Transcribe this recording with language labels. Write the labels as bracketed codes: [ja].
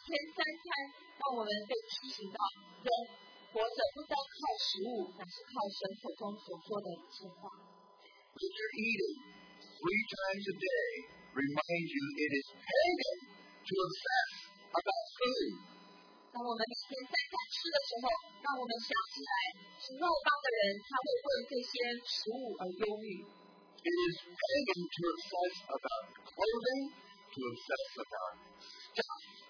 [zh] 所以，当我们每天吃的时候，一天3餐，让我们被提醒到人。活着不单靠食物，乃是靠神口中所说的一切话。 [en] Let your eating 3 times a day remind you it is pagan to obsess about food. [zh] 当我们每天三餐吃的时候，让我们想起来，吃肉包的人他会为这些食物而忧虑。 [en] It is pagan to obsess about clothing, to obsess about stuff.